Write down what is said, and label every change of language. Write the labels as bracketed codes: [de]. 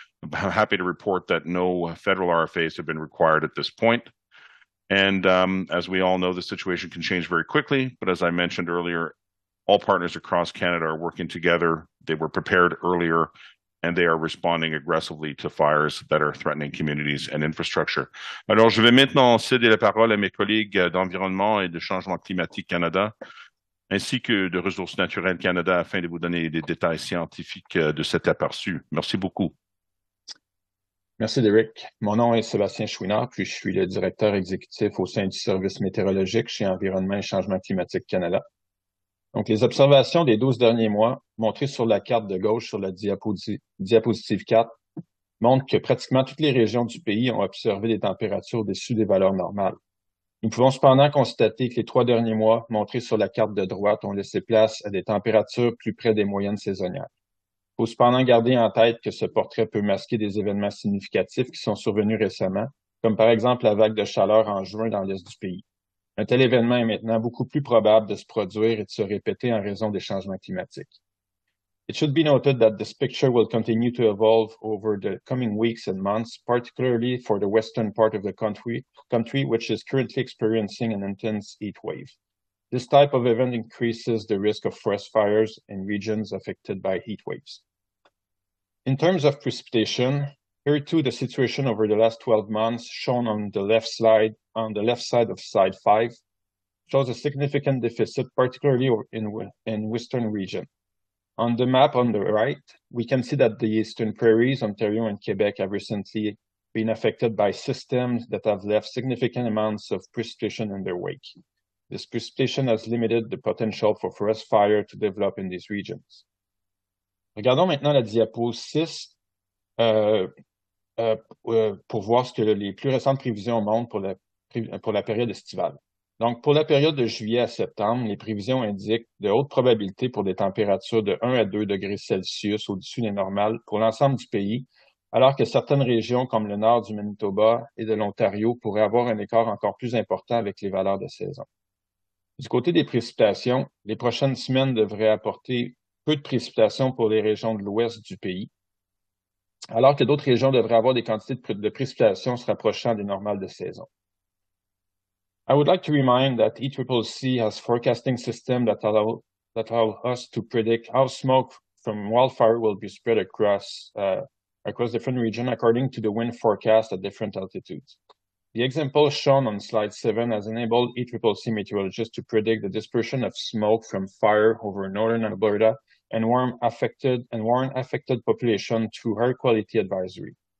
[en] I'm happy to report that no federal RFAs have been required at this point. And as we all know, the situation can change very quickly. But as I mentioned earlier, all partners across Canada are working together. They were prepared earlier, and they are responding aggressively to fires that are threatening communities and infrastructure. [fr] Alors, je vais maintenant céder la parole à mes collègues d'Environnement et de Changement Climatique Canada, ainsi que de Ressources Naturelles Canada, afin de vous donner des détails scientifiques de cet aperçu. Merci beaucoup. Merci, Derek. Mon nom est Sébastien Chouinard, puis je suis le directeur exécutif au sein du service météorologique chez Environnement et Changement Climatique Canada. Donc, les observations des 12 derniers mois, montrées sur la carte de gauche sur la diapositive 4, montrent que pratiquement toutes les régions du pays ont observé des températures au-dessus des valeurs normales. Nous pouvons cependant constater que les trois derniers mois, montrés sur la carte de droite, ont laissé place à des températures plus près des moyennes saisonnières. Il faut cependant garder en tête que ce portrait peut masquer des événements significatifs qui sont survenus récemment, comme par exemple la vague de chaleur en juin dans l'est du pays. Un tel événement est maintenant beaucoup plus probable de se produire et de se répéter en raison des changements climatiques. [en] It should be noted that this picture will continue to evolve over the coming weeks and months, particularly for the western part of the country which is currently experiencing an intense heat wave. This type of event increases the risk of forest fires in regions affected by heat waves. In terms of precipitation, here too, the situation over the last 12 months shown on the left slide, on the left side of slide 5, shows a significant deficit, particularly in western region. On the map on the right, we can see that the Eastern Prairies, Ontario and Quebec have recently been affected by systems that have left significant amounts of precipitation in their wake. This precipitation has limited the potential for forest fire to develop in these regions. [fr] Regardons maintenant la diapo 6 pour voir ce que les plus récentes prévisions montrent pour la période estivale. Donc, pour la période de juillet à septembre, les prévisions indiquent de hautes probabilités pour des températures de 1 à 2 degrés Celsius au-dessus des normales pour l'ensemble du pays, alors que certaines régions comme le nord du Manitoba et de l'Ontario pourraient avoir un écart encore plus important avec les valeurs de saison. Du côté des précipitations, les prochaines semaines devraient apporter peu de précipitations pour les régions de l'ouest du pays, alors que d'autres régions devraient avoir des quantités de précipitations se rapprochant des normales de saison. [en] I would like to remind that ECCC has forecasting system that allow us to predict how smoke from wildfire will be spread across different regions according to the wind forecast at different altitudes. The example shown on slide 7 has enabled ECCC meteorologists to predict the dispersion of smoke from fire over northern Alberta and warm affected population to air quality advisory.